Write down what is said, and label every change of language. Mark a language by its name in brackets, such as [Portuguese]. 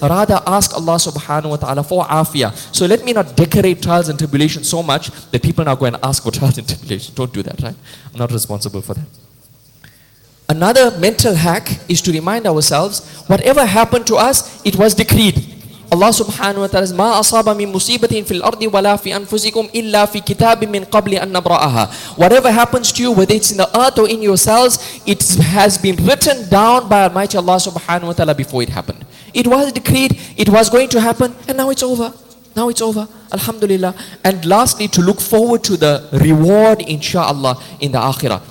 [English] Rather, ask Allah subhanahu wa ta'ala for afia. So let me not decorate trials and tribulations so much that people now go and ask for trials and tribulations. Don't do that, right? I'm not responsible for that. Another mental hack is to remind ourselves, whatever happened to us, it was decreed. Allah subhanahu wa ta'ala says, [Arabic] مَا أَصَابَ مِن مُصِيبَةٍ فِي الْأَرْضِ وَلَا فِي أَنفُسِكُمْ إِلَّا فِي كِتَابٍ مِّن قَبْلِ أَن نَبْرَأَهَا. [English] Whatever happens to you, whether it's in the earth or in yourselves, it has been written down by Almighty Allah subhanahu wa ta'ala before it happened. It was decreed, it was going to happen, and now it's over. Now it's over, alhamdulillah. And lastly, to look forward to the reward, inshallah, in the akhirah.